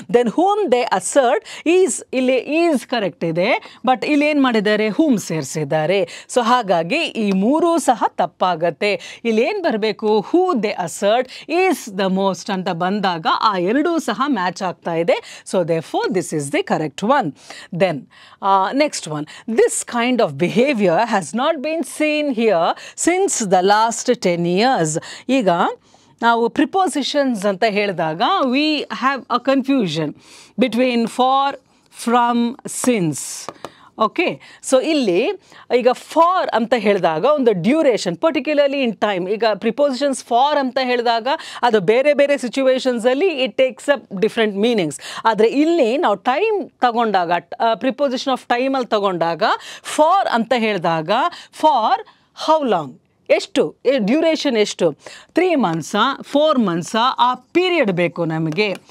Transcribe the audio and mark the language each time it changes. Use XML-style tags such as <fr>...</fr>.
<en>then whom they assert is,</en> <kn>ಇಲ್ಲಿ is correct ಇದೆ but ಇಲ್ಲಿ ಏನು ಮಾಡಿದ್ದಾರೆ, ಹೂಮ್ ಸೇರಿಸಿದ್ದಾರೆ. ಸೊ ಹಾಗಾಗಿ ಈ ಮೂರೂ ಸಹ ತಪ್ಪಾಗತ್ತೆ. ಇಲ್ಲಿ ಏನು ಬರಬೇಕು, ಹೂ they assert is the most ಅಂತ ಬಂದಾಗ ಆ ಎರಡೂ ಸಹ ಮ್ಯಾಚ್ ಆಗ್ತಾ ಇದೆ.</kn> <en>So they for this is the correct one. Then, next one. This kind of behavior has not been seen here since the last 10 years. Iga, now prepositions</en> <kn>anta heldaga,</kn> <en>we have a confusion between for, from, since.</en> <kn>Okay, so ಇಲ್ಲಿ ಈಗ for ಅಂತ ಹೇಳಿದಾಗ ಒಂದು duration, particularly in time. ಈಗ prepositions for ಅಂತ ಹೇಳಿದಾಗ ಅದು ಬೇರೆ ಬೇರೆ ಸಿಚುವೇಷನ್ಸಲ್ಲಿ</kn> <en>It takes up different meanings.</en> <kn>ಆದರೆ ಇಲ್ಲಿ ನಾವು ಟೈಮ್ ತಗೊಂಡಾಗ, ಪ್ರಿಪೋಸಿಷನ್ ಆಫ್ ಟೈಮಲ್ಲಿ ತಗೊಂಡಾಗ ಫಾರ್ ಅಂತ ಹೇಳಿದಾಗ</kn> <en>for how long,</en> <kn>ಎಷ್ಟು ಡ್ಯೂರೇಷನ್, ಎಷ್ಟು 3 months, 4 months ಆ ಪೀರಿಯಡ್ ಬೇಕು ನಮಗೆ.</kn>